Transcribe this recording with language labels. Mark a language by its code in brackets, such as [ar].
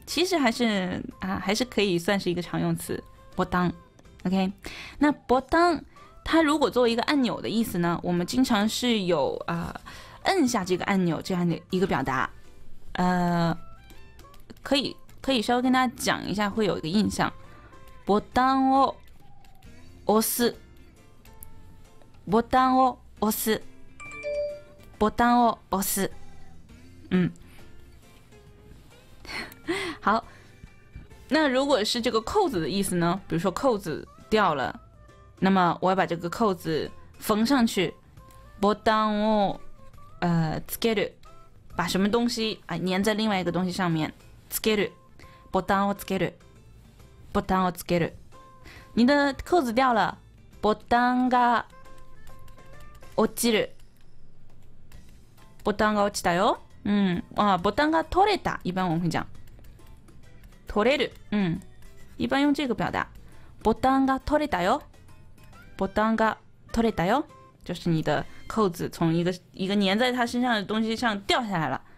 [zh] 其实还是可以算是一个常用词。ボタン。 OK， 那ボタン它如果作为一个按钮的意思呢，我们经常是有摁下这个按钮这样的一个表达，可以稍微跟大家讲一下，会有一个印象。 [ja] ボタンを押す，ボタンを押す，ボタンを押す。 [zh] 好，那如果是这个扣子的意思呢，比如说扣子掉了，那么我要把这个扣子缝上去， [ja] ボタンをつける， [zh] 把什么东西啊粘在另外一个东西上面， [ja] つける，ボタンをつける，ボタンをつける。 [zh] 你的扣子掉了， [ja] ボタンが落ちる，ボタンが落ちたよ。 [zh] 嗯，啊， [ja] ボタンが取れた， [zh] 一般我们会讲。取れる，嗯，一般用这个表达。 [ja] ボタンが取れたよ，ボタンが取れたよ， [zh] 就是你的扣子从一个粘在他身上的东西上掉下来了。